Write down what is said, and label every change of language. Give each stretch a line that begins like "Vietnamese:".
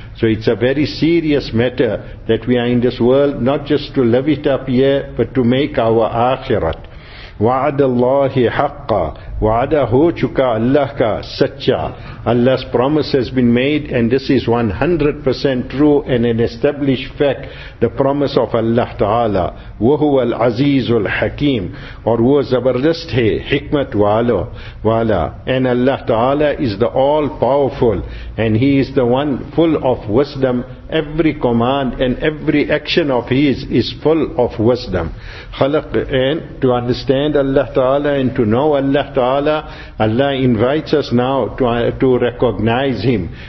English: So it's a very serious matter that we are in this world, not just to live it up here, but to make our akhirat.
Arabic: وَعَدَ اللَّهِ حَقَّ,
Urdu: وَعَدَ هُو چُكَ اللَّهَ سَچَّا.
English: Allah's promise has been made, and this is 100% true and an established fact, the promise of Allah Ta'ala.
Arabic: وَهُوَ الْعَزِيزُ الْحَكِيمُ,
Urdu: اور وہ زبردست ہے حکمت والا.
English: And Allah Ta'ala is the all-powerful, and He is the one full of wisdom. Every command and every action of His is full of wisdom. خلق, and to understand Allah Ta'ala and to know Allah Ta'ala, Allah invites us now to recognize Him.